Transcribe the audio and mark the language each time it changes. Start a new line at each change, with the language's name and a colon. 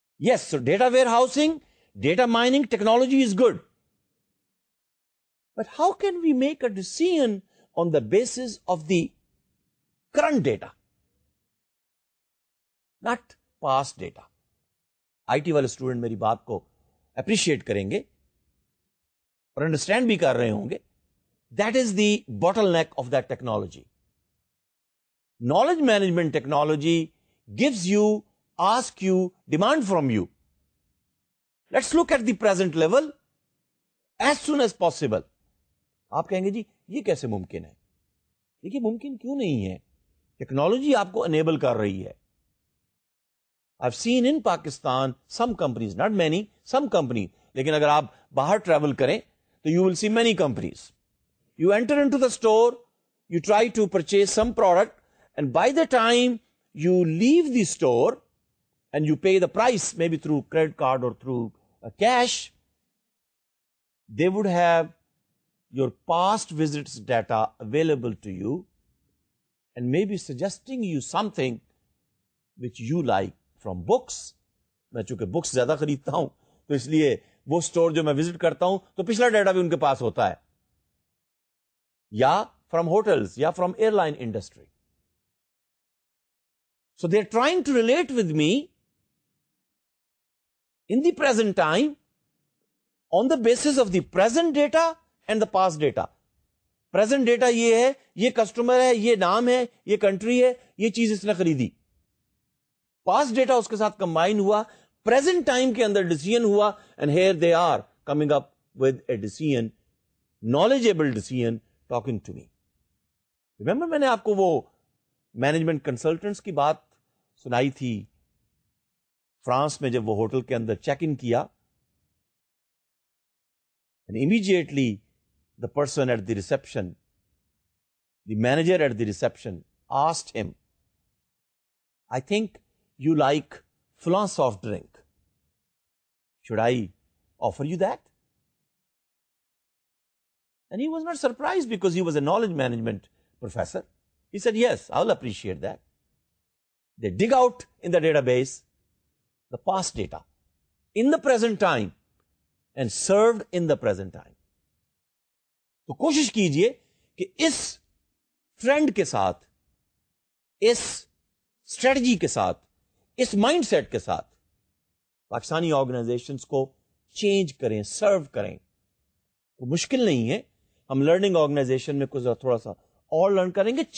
English: Yes, so data warehousing, data mining technology is good, but how can we make a decision on the basis of the current data, not past data.
Urdu: IT والے student میری بات کو appreciate کریں گے اور understand بھی کر رہے ہوں گے.
English: That is the bottleneck of that technology. Knowledge management technology gives you, ask you, demand from you. Let's look at the present level as soon as possible.
Urdu: آپ کہیں گے جی یہ کیسے ممکن ہے؟ دیکھیے ممکن کیوں نہیں ہے، ٹیکنالوجی آپ کو انیبل کر رہی ہے.
English: I have seen in Pakistan some companies, not many, some companies,
Urdu: لیکن اگر آپ باہر ٹریول کریں تو
English: You will see many companies. You enter into the store, you try to purchase some product, and by the time you leave the store and you pay the price, may be through credit card اور through cash, they would have your past visits data available to you and maybe suggesting you something which you like from books.
Urdu: میں چونکہ books زیادہ خریدتا ہوں تو اس لیے وہ store جو میں وزٹ کرتا ہوں تو پچھلا ڈیٹا بھی ان کے پاس ہوتا ہے، یا فرام ہوٹلس یا from air line industry.
English: So they are trying to relate with me in the present time on the basis of the present data and the past data.
Urdu: Present data یہ ہے، یہ customer ہے، یہ نام ہے، یہ country ہے، یہ چیز اس نے خریدی. پاسٹ ڈیٹا اس کے ساتھ کمبائن ہوا، پریزنٹ ٹائم کے اندر ڈیسیژن ہوا،
English: And here they are coming up with a decision, knowledgeable decision, talking to me. Remember
Urdu: میں نے آپ کو وہ مینجمنٹ کنسلٹنٹس کی بات سنائی تھی فرانس میں، جب وہ ہوٹل کے اندر چیک ان کیا،
English: Immediately the person at the reception, the manager at the reception asked him, I think you like flan soft drink, should I offer you that? And he was not surprised because he was a knowledge management professor. He said, yes, I'll appreciate that. They dig out in the database the past data in the present time and served in the present time.
Urdu: تو کوشش کیجئے کہ اس trend کے ساتھ، اس strategy کے ساتھ، اس mind set کے ساتھ پاکستانی آرگنائزیشنز کو چینج کریں، سرو کریں. وہ مشکل نہیں ہے، ہم لرننگ آرگنائزیشن میں کچھ تھوڑا سا اور لرن کریں گے.